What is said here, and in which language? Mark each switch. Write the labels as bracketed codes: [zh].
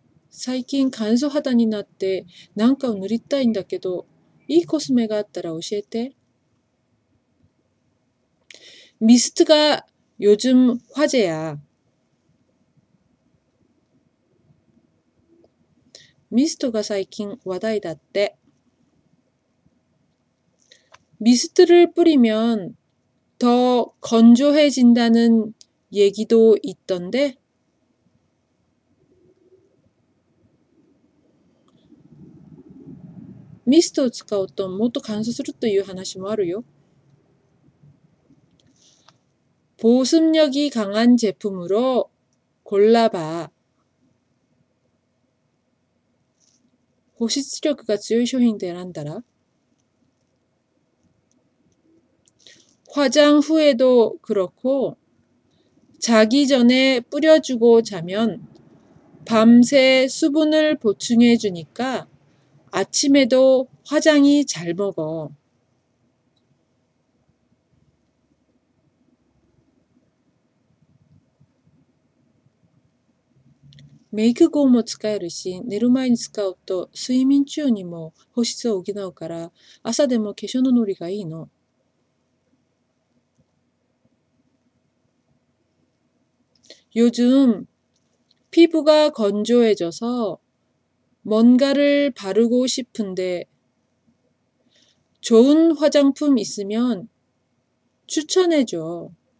[ja] 最近乾燥肌になってなんか塗りたいんだけど、いいコスメがあったら教えて。 [ko] ミストが요즘 화제야. [ja] 미스트가 最近 話題だって. [ko] 미스트를 뿌리면 더 건조해진다는 얘기도 있던데? [ja] 미스트를 使うと もっと 乾燥するという 話もあるよ. [ko] 보습력이 강한 제품으로 골라봐. [ja] 保湿力が強い商品で選んだら？ [ko] 화장 후에도 그렇고 자기 전에 뿌려주고 자면 밤새 수분을 보충해 주니까 아침에도 화장이 잘 먹어. [ja] メイク後も使えるし、寝る前に使うと睡眠中にも保湿を補うから、朝でも化粧のノリがいいの。 [ko] 요즘 피부가 건조해져서 뭔가를 바르고 싶은데 좋은 화장품 있으면 추천해줘.